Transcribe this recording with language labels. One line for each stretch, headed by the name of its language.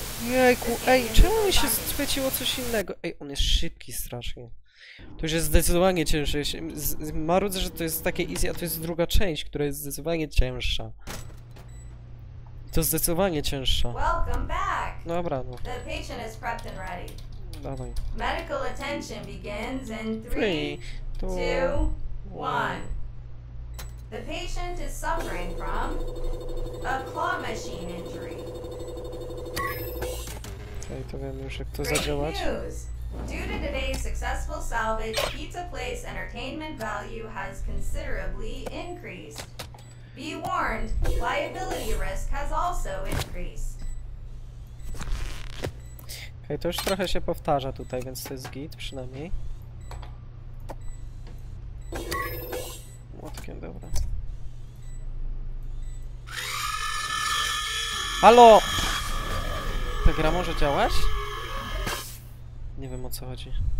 Polish: Jejku, ej, czemu mi się chwyciło coś innego? Ej, on jest szybki strasznie. To już jest zdecydowanie ciężej. Marudzę, że to jest takie easy, a to jest druga część, która jest zdecydowanie cięższa.
English: Welcome back.
Polish: Dobra, no.
English: The patient is prepped and ready.
Polish: Dawaj.
English: Medical attention begins in 3, 2, 1. The patient is suffering from a claw machine injury.
Polish: Okay, to wiem już, jak to zadziałać.
English: Great news. Due to today's successful salvage, Pizza Place entertainment value has considerably increased. Be warned, liability risk has also increased.
Polish: Okej, to już trochę się powtarza tutaj, więc to jest git przynajmniej. Młotkiem, dobra. Halo! Ta gra może działać? Nie wiem, o co chodzi.